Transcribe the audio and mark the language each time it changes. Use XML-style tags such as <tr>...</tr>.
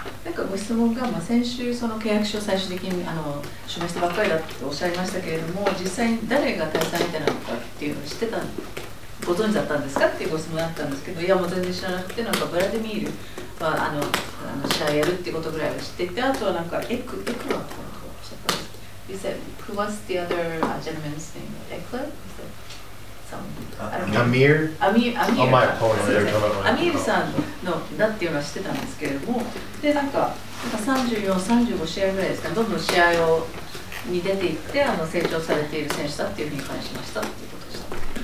<ja>なんかご質問が、まあ、先週その契約書を最終的にあの署名したばっかりだとおっしゃいましたけれども、実際に誰が対戦相手なのかっていうのを知ってたご存知だったんですかっていうご質問があったんですけど、いやもう全然知らなくて、なんかブラデミールはあの試合やるっていうことぐらいは知ってて、あとはなんかエクラとかおっしゃったんです。</ja> <en>You said who was the other gentleman's name?</en> <ja>エクラ？ Amir さんのだっていうのは知ってたんですけれども、でなんか34、35試合ぐらいですか、どんどん試合に出ていって成長されている選手だっていうふうに感じましたっていうことでした。</ja>